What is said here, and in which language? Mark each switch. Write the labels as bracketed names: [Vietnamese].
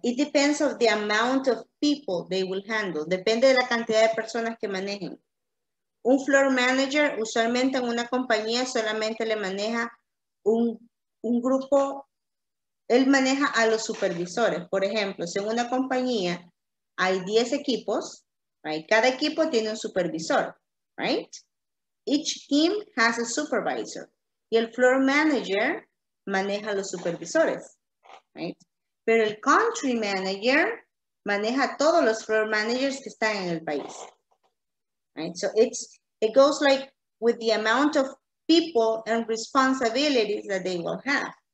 [English] It depends on the amount of people they will handle. [Spanish] Depende de la cantidad de personas que manejen. Un floor manager, usualmente en una compañía, solamente le maneja un grupo, él maneja a los supervisores. Por ejemplo, si en una compañía hay 10 equipos, right? Cada equipo tiene un supervisor, [English] right? Each team has a supervisor. [Spanish] Y el floor manager maneja a los supervisores, right? Pero el country manager maneja a todos los floor managers que están en el país, right? [English] So it goes like with the amount of people and responsibilities that they will have.